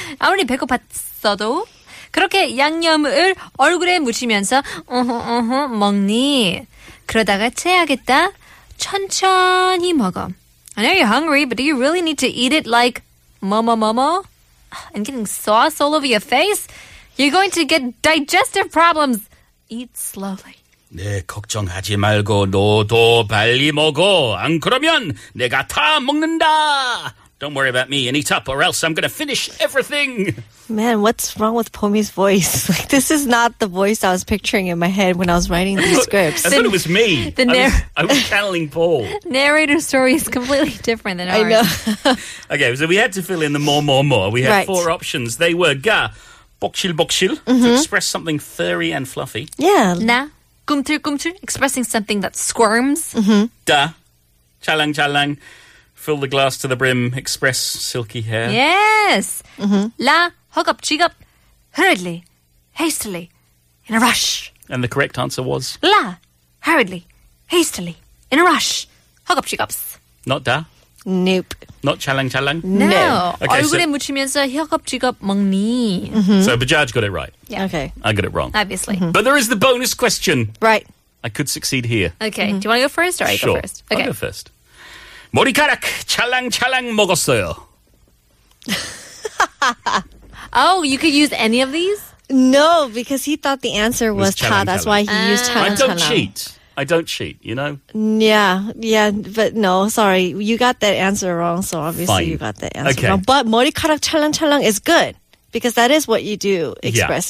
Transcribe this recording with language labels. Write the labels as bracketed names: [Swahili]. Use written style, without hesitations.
[Korean] 아무리 배고팠어도 그렇게 양념을 얼굴에 묻히면서 먹니? 그러다가 체하겠다. 천천히 먹어. [English] I know you're hungry, but do you really need to eat it like 뭐뭐뭐뭐? I'm getting sauce all over your face. You're going to get digestive problems. Eat slowly. [Korean] 네, 걱정하지 말고 너도 빨리 먹어. 안 그러면 내가 다 먹는다. [English] Don't worry about me and eat up or else I'm going to finish everything. Man, what's wrong with Pomi's voice? Like, this is not the voice I was picturing in my head when I was writing these scripts. I thought it was me. I was channeling Paul. Narrator's story is completely different than ours. I know. Okay, so we had to fill in the more. We had four options. They were ga, bokshil, to express something furry and fluffy. Yeah. Na, gumtul, expressing something that squirms. Mm-hmm. Da, chalang. Fill the glass to the brim, express silky hair. Yes. La, hug up, cheek up, hurriedly, hastily, in a rush. And the correct answer was? La, hurriedly, hastily, in a rush, hug up, cheek ups. Not da? Nope. Not chalang? [Korean] No. Okay, 얼굴에 묻히면서 허겁지겁 먹니. [English] So Bajaj got it right. Yeah. Okay. I got it wrong. Obviously. Mm-hmm. But there is the bonus question. Right. I could succeed here. Okay. Mm-hmm. Do you want to go first or I sure. go first? Sure. Okay. I'll go first. [Korean] 머리카락 찰랑찰랑 먹었어요. [English] Oh, you could use any of these? No, because he thought the answer was ta. That's why he used chalang. I don't cheat. I don't cheat, you know? Yeah, yeah, but no, sorry. You got that answer wrong, so obviously Fine. You got the answer okay. wrong. But [Korean] 머리카락 찰랑찰랑 [English] is good, because that is what you do express